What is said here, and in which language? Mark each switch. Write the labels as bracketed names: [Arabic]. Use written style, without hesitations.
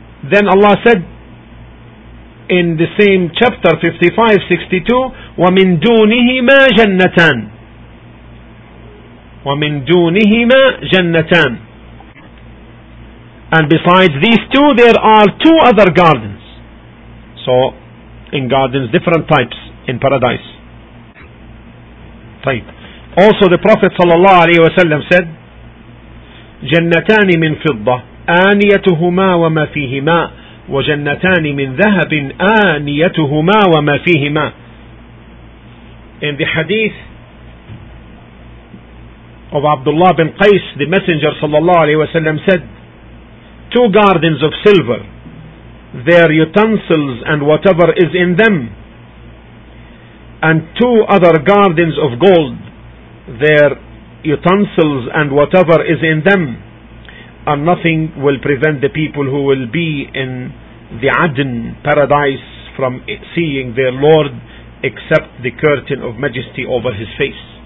[English] Then Allah said in the same chapter 55:62, [Arabic] وَمِن دُونِهِمَا جَنَّتَانِ وَمِن دُونِهِمَا جَنَّتَانِ. [English] And besides these two, there are two other gardens. So, in gardens, different types in paradise. [Arabic] طيب. [English] Also, the Prophet ﷺ said, [Arabic] جَنَّتَانِ مِن فِضَّةٍ آنِيَتُهُمَا وَمَا فِيهِمَا وَجَنَّتَانِ مِن ذَهَبٍ آنِيَتُهُمَا وَمَا فِيهِمَا. [English] In the hadith of Abdullah bin Qais, the Messenger ﷺ said, two gardens of silver, their utensils and whatever is in them, and two other gardens of gold, their utensils and whatever is in them, and nothing will prevent the people who will be in the Adn, paradise, from seeing their Lord except the curtain of majesty over his face.